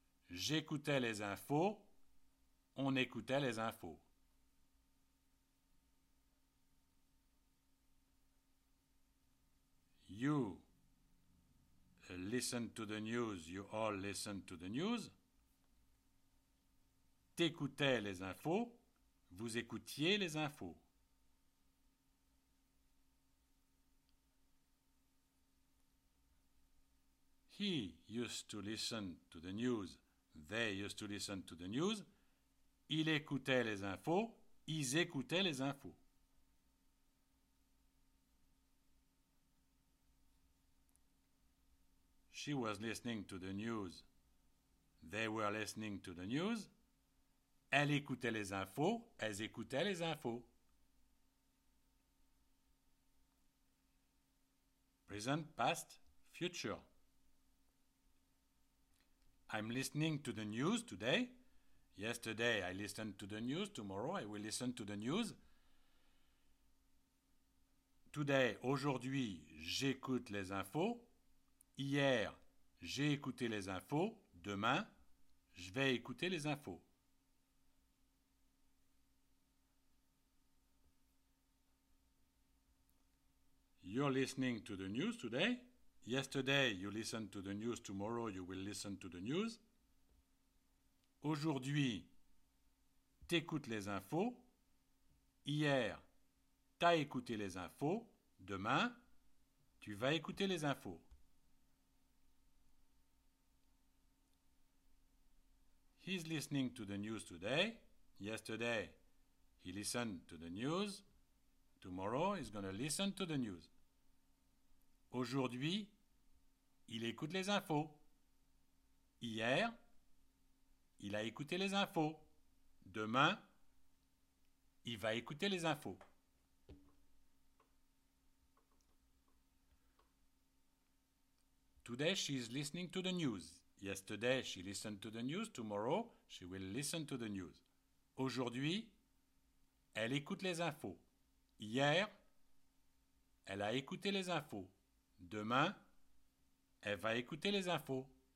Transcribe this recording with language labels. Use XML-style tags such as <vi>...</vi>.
<fr>J'écoutais les infos. On écoutait les infos.</fr> <en>You listen to the news. You all listen to the news.</en> <fr>T'écoutais les infos. Vous écoutiez les infos.</fr> <en>He used to listen to the news. They used to listen to the news.</en> <fr>Il écoutait les infos. Ils écoutaient les infos.</fr> <en>She was listening to the news. They were listening to the news.</en> <fr>Elle écoutait les infos. Elles écoutaient les infos.</fr> <en>Present, past, future. I'm listening to the news today. Yesterday I listened to the news. Tomorrow I will listen to the news.</en> <fr>Today, aujourd'hui, j'écoute les infos. Hier, j'ai écouté les infos. Demain, je vais écouter les infos.</fr> <en>You're listening to the news today. Yesterday, you listened to the news. Tomorrow, you will listen to the news.</en> <fr>Aujourd'hui, t'écoutes les infos. Hier, t'as écouté les infos. Demain, tu vas écouter les infos.</fr> <en>He's listening to the news today. Yesterday, he listened to the news. Tomorrow, he's going to listen to the news.</en> <fr>Aujourd'hui, il écoute les infos. Hier, il a écouté les infos. Demain, il va écouter les infos.</fr> <en>Today, she's listening to the news. Yesterday, she listened to the news. Tomorrow, she will listen to the news.</en> <fr>Aujourd'hui, elle écoute les infos. Hier, elle a écouté les infos. Demain, elle va écouter les infos.</fr>